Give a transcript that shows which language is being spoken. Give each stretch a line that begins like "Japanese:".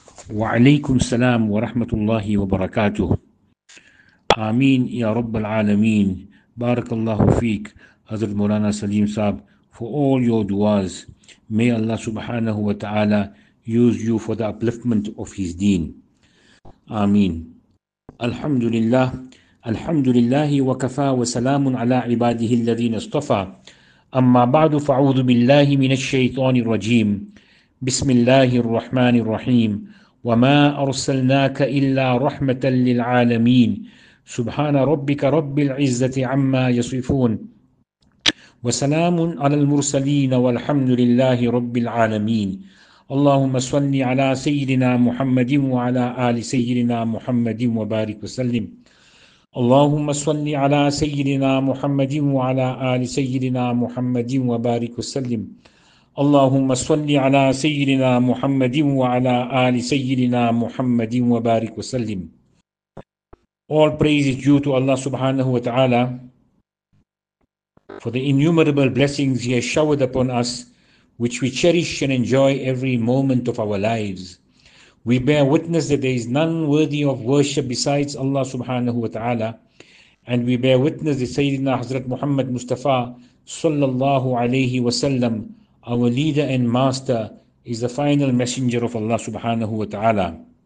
Arabic: وعليكم السلام ورحمة الله وبركاته. آمين يا رب العالمين. بارك الله فيك حضرت مولانا سليم صاحب
English: for all your duas. May Allah subhanahu wa ta'ala use you for the upliftment of his deen.
Arabic: آمين. الحمد لله الحمد لله وكفى وسلام على عباده الذين اصطفى. أما بعد فأعوذ بالله من الشيطان الرجيم. بسم الله الرحمن الرحيم. وما أرسلناك إلا رحمة للعالمين. سبحان ربك رب العزة عما يصفون. وسلام على المرسلين والحمد لله رب العالمين. اللهم صل على سيدنا محمد وعلى آل سيدنا محمد وبارك وسلم. اللهم صل على سيدنا محمد وعلى آل سيدنا محمد وبارك وسلم. اللهم صل على سيدنا محمد وعلى آل سيدنا محمد وبارك وسلم.
English: All praise is due to Allah subhanahu wa ta'ala for the innumerable blessings He has showered upon us, which we cherish and enjoy every moment of our lives. We bear witness that there is none worthy of worship besides Allah subhanahu wa ta'ala, and we bear witness that Sayyidina Hazrat Muhammad Mustafa sallallahu alayhi wa sallam, our leader and master, is the final messenger of Allah subhanahu wa ta'ala.